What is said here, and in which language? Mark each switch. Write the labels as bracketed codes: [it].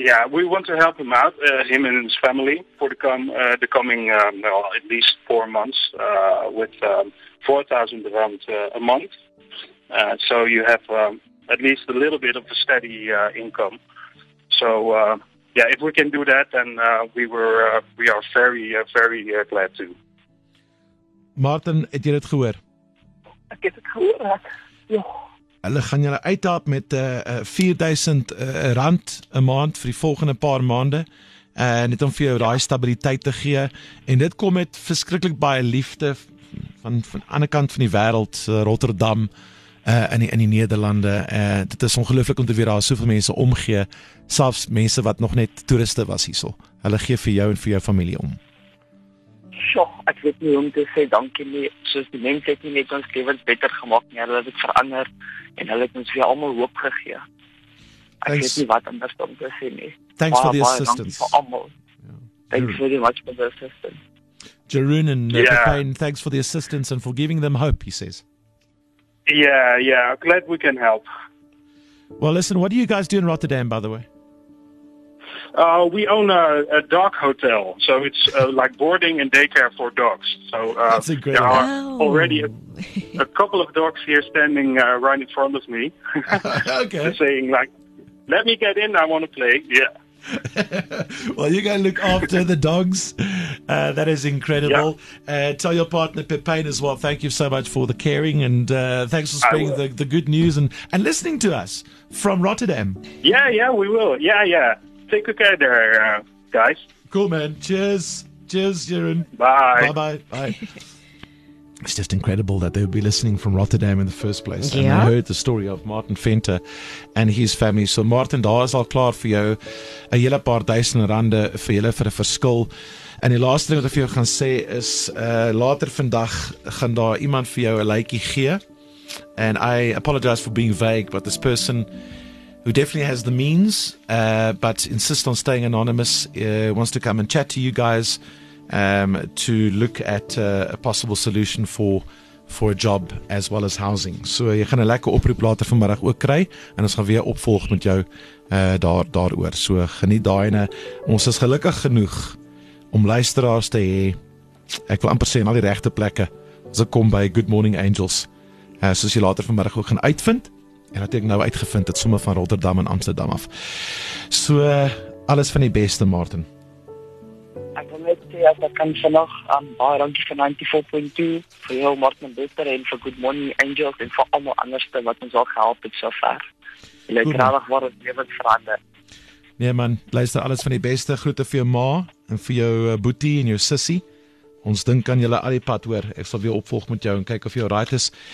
[en] We want to help him out, him and his family, for the coming at least 4 months with 4,000 rand a month. So you have at least a little bit of a steady income. So if we can do that, then we are very, very glad to. [af] Martin, het jy dit gehoor? Ek het het gehoor, Hulle gaan julle uithelp met 4,000 rand 'n maand vir die volgende paar maande, net om vir jou daai stabiliteit te gee. En dit kom met verskriklik baie liefde van die ander kant van die wêreld, Rotterdam, in die Nederlande. Dit is ongelooflik om te weet daar soveel mense omgee, selfs mense wat nog net toeriste was hierso. Hulle gee vir jou en vir jou familie om. Sjoch, ek weet nie om te sê dankie nie, soos die mens het nie net ons lewens beter gemaakt nie, hulle het het verander, en hulle het ons weer allemaal hoop gegee. Ek [en] Thanks. [af] Weet nie wat anders om te sê nie. [en] Thanks for the assistance. [af] Dankie vir allemaal. [en] Yeah. Thanks very much for the assistance. Jeroen and Pepijn, thanks for the assistance and for giving them hope, he says. Yeah, glad we can help. Well, listen, what do you guys do in Rotterdam, by the way? We own a dog hotel, so it's like boarding and daycare for dogs. So already a couple of dogs here standing right in front of me, okay. Saying like, let me get in, I want to play. Yeah. Well, you're going to look after the dogs. That is incredible. Yeah. Tell your partner, Pepijn, as well, thank you so much for the caring, and thanks for spreading the good news and listening to us from Rotterdam. Yeah, we will. Yeah. Take care there, guys. Cool, man. Cheers, Jeroen. Bye. It's just incredible that they would be listening from Rotterdam in the first place. Yeah. And I heard the story of Martin Venter and his family. [af] So, Martin, daar is al klaar vir jou. A hele paar duisende rande vir julle vir 'n verskil. En die laaste ding wat ek vir jou gaan sê is, later vandag gaan daar iemand vir jou 'n lykie gee. [en] And I apologize for being vague, but this person who definitely has the means, but insists on staying anonymous, wants to come and chat to you guys to look at a possible solution for a job as well as housing. [af] So jy gaan 'n lekker oproep later vanmiddag ook kry, en ons gaan weer opvolg met jou daaroor. So geniet daai ene. Ons is gelukkig genoeg om luisteraars te hê. Ek wil amper sê in al die regte plekke, as ek kom by Good Morning Angels, soos jy later vanmiddag ook gaan uitvind, en het ek nou uitgevind het somme van Rotterdam en Amsterdam af. So, alles van die beste, Martin. Ek wil net sê, as ek kan vannag, baie dankie vir 94.2, vir jou, Martin en Bester, en vir Good Morning Angels, en vir allemaal anderste wat ons al gehelp het so ver. Jy het graag waar het leven verander. Nee man, luister, alles van die beste, groete vir jou ma, en vir jou boetie en jou sissie. Ons dink kan julle al die pad hoor. Ek sal weer opvolg met jou en kyk of jou right is.